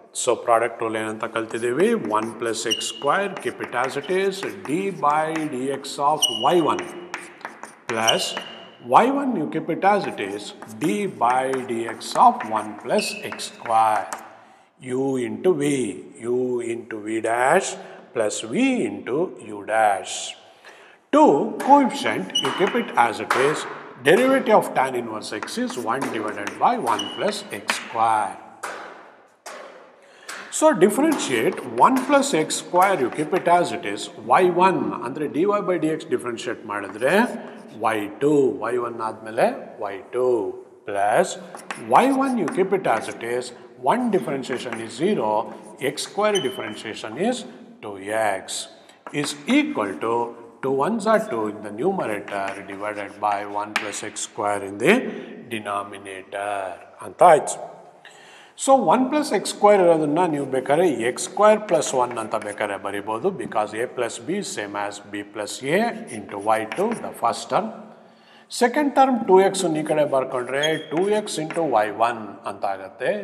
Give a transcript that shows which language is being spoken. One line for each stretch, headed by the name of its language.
English: so product rule
Kannada: ಏನಂತ ಕಲ್ತಿದ್ದೀವಿ,
English: 1 plus x square keep it as it is d by d x of y one plus y one u keep it as it is d by d x of 1 plus x square u into v, u into v dash plus v into u dash. Two coefficient u keep it as it is. Derivative of tan inverse x is 1 divided by 1 plus x square. So differentiate 1 plus x square, you keep it as it is, y1,
Kannada: andre
English: dy by dx differentiate
Kannada: maadidre
English: y2, y1
Kannada: aadmele
English: y2 plus y1 you keep it as it is, 1 differentiation is 0, x square differentiation is 2x, is equal to 2 ones are 2 in the numerator divided by 1 plus x square in the denominator.
Kannada: Anta aayitu.
English: so one plus x square
Kannada: ಇರೋದನ್ನು ನೀವು ಬೇಕಾದ್ರೆ
English: x square plus one
Kannada: ಅಂತ ಬೇಕಾದ್ರೆ ಬರಿಬೋದು,
English: Because a plus b same as b plus a into y to the first term.
Kannada: Second term 2x ಈ ಕಡೆ ಬರ್ಕೊಂಡ್ರೆ 2x into Y one ಅಂತ ಆಗುತ್ತೆ.